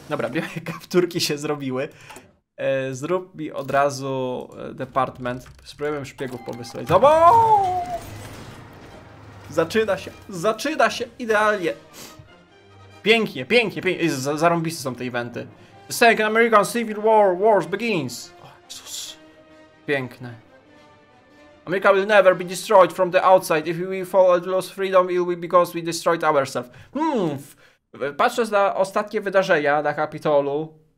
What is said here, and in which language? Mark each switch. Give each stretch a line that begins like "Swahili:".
Polish: Dobra, białe kapturki się zrobiły. Zrób mi od razu department. Spróbujemy szpiegów powysłać. Dobo! Zaczyna się! Zaczyna się! Idealnie! Pięknie, pięknie, pięknie. Zarąbiste są te eventy.
English: The Second American Civil War Wars begins.
Polish: O Jezus. Piękne.
English: America will never be destroyed from the outside. If we fall and lose freedom, it will be because we destroyed ourselves.
Polish: Patrząc na ostatnie wydarzenia na Kapitolu.